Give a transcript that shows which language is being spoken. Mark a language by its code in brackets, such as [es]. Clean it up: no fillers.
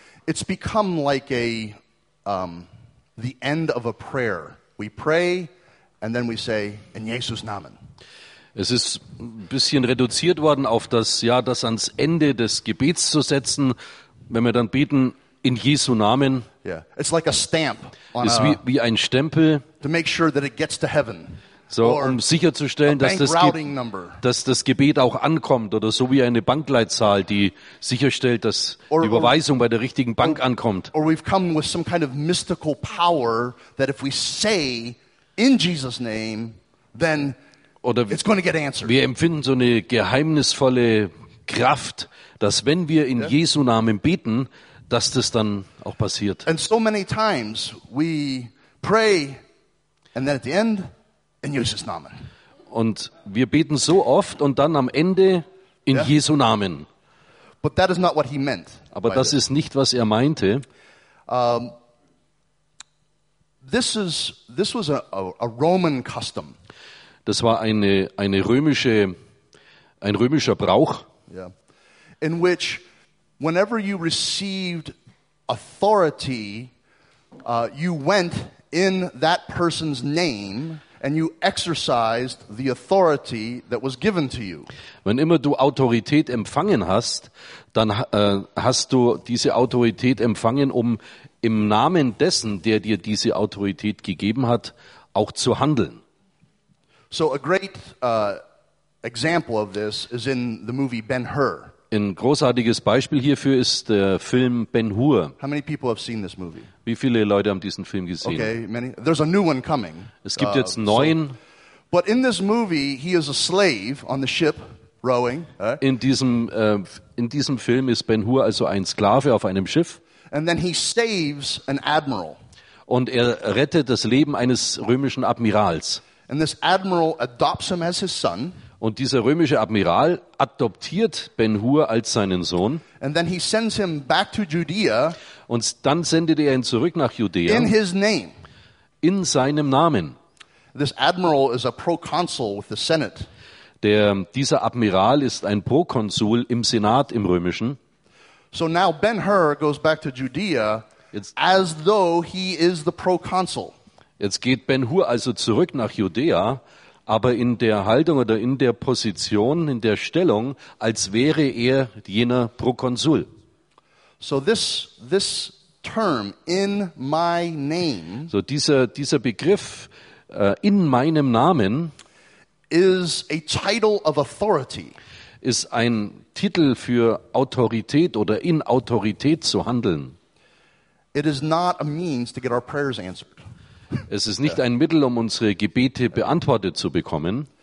[en] It's become like the end of a prayer. We pray and then we say [de] in Jesus Namen. Es ist ein bisschen reduziert worden auf das ans Ende des Gebets zu setzen, wenn wir dann beten in Jesu Namen. [en] Yeah. It's like a stamp [de] on ist wie ein Stempel, [en] to make sure that it gets to heaven. [de] So, um sicherzustellen, dass das Gebet auch ankommt, oder so wie eine Bankleitzahl, die sicherstellt, dass die Überweisung bei der richtigen Bank ankommt. [en] Or we've come with some kind of mystical power that if we say in Jesus' name, then [de] oder [en] it's going to get answered. [de] Wir empfinden so eine geheimnisvolle Kraft, dass wenn wir in Jesu Namen beten, dass das dann auch passiert. [en] And so many times we pray and then at the end [de] in Jesus Namen. Und wir beten so oft und dann am Ende in Jesu Namen. [en] But that is not what he meant. [de] Aber das ist nicht, was meinte. [en] This was a Roman custom. [de] Das war ein römischer Brauch. [en] Yeah. In which whenever you received authority, you went in that person's name and you exercised the authority that was given to you. [de] Wenn immer du Autorität empfangen hast, dann hast du diese Autorität empfangen, um im Namen dessen, der dir diese Autorität gegeben hat, auch zu handeln. [en] So a great example of this is in the movie Ben-Hur. [de] Ein großartiges Beispiel hierfür ist der Film Ben-Hur. [en] How many people have seen this movie? [de] Wie viele Leute haben diesen Film gesehen? [en] Okay, many. There's a new one coming. [de] Es gibt jetzt einen neuen. [en] But in this movie, he is a slave on the ship. rowing. [de] In diesem Film ist Ben-Hur also ein Sklave auf einem Schiff. [en] And then he saves an admiral. [de] Und er rettet das Leben eines römischen Admirals. [en] And this admiral adopts him as his son. [de] Und dieser römische Admiral adoptiert Ben-Hur als seinen Sohn. [en] And then he sends him back to Judea. [de] Und dann sendet er ihn zurück nach Judäa. [en] In his name. [de] In seinem Namen. [en] This admiral is a proconsul with the Senate. [de] Dieser Admiral ist ein Prokonsul im Senat im Römischen. [en] So now Ben-Hur goes back to Judea as though he is the proconsul. [de] Jetzt geht Ben-Hur also zurück nach Judäa, aber in der Haltung oder in der Position, in der Stellung, als wäre er jener Prokonsul. [en] So this term, in my name, [de] so dieser Begriff, in meinem Namen, [en] is a title of authority. [de] Ist ein Titel für Autorität oder in Autorität zu handeln. [en] It is not a means to get our prayers answered. [de] Es ist nicht ein Mittel, um unsere Gebete beantwortet zu bekommen.